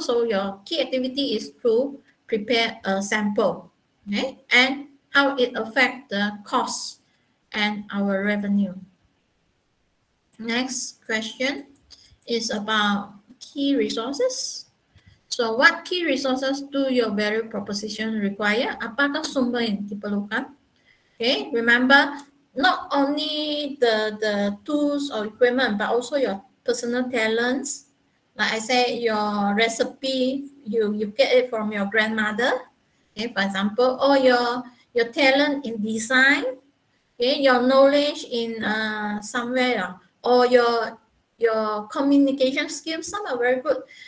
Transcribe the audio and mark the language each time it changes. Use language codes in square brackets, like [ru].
[en] So your key activity is to prepare a sample. Okay, and how it affect the cost and our revenue. Next question is about key resources. So what key resources do your value proposition require? [ms] Apakah sumber yang diperlukan? [en] Okay, remember not only the tools or equipment, but also your personal talents. Like I say, your recipe, you get it from your grandmother, okay, for example, or your talent in design, okay, your knowledge in somewhere, or your communication skills. Some are very good.